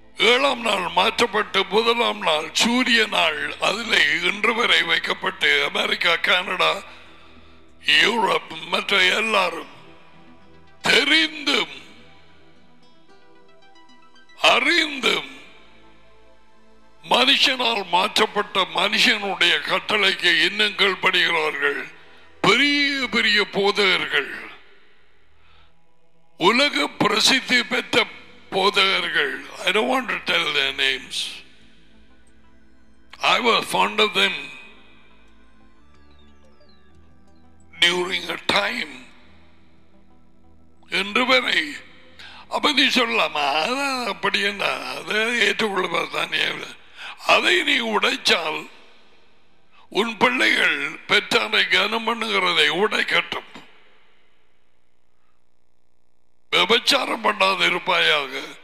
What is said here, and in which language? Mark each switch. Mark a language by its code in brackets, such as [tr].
[ta] ஏழாம் நாள் மாற்றப்பட்டு முதலாம் நாள் சூரிய நாள் அதில் இன்று வரை வைக்கப்பட்டு அமெரிக்கா, கனடா, யூரோப் மற்ற எல்லாரும் தெரிந்தும் அறிந்தும் மனுஷனால் மாற்றப்பட்ட மனுஷனுடைய கட்டளைக்கு இன்னும் கீழ்படுகிறார்கள். பெரிய பெரிய போதகர்கள், உலக பிரசித்தி பெற்ற போதகர்கள், [en] I don't want to tell their names. I was fond of them during a time. [ta] அப்படி சொல்லாமடி ஏற்றுக்கொள்ள, அதை நீ உடைச்சால் உன் பிள்ளைகள் பெற்றாரை கனம் பண்ணுகிறதை உடைக்கட்டும், விபச்சாரம் பண்ணாத இருப்பாயாக.